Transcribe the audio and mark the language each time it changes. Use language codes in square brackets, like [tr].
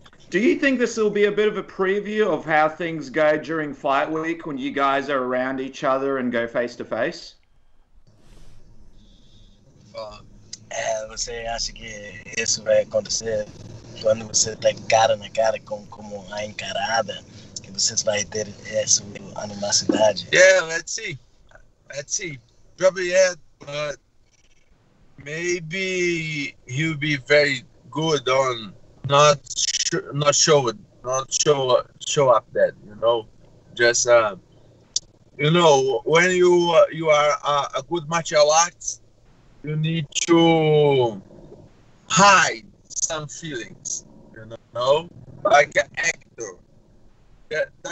[en] Do you think this will be a bit of a preview of how things go during fight week when you guys are around each other and go face to face? [pt] Você acha que isso vai acontecer quando você está cara na cara com como a encarada que vocês vai ter essa animosidade? [en] Yeah, let's see. Probably yeah, but maybe he'll be very good on not show up that, you know, just you know, when you are a good martial arts, you need to hide some feelings, you know, like an actor.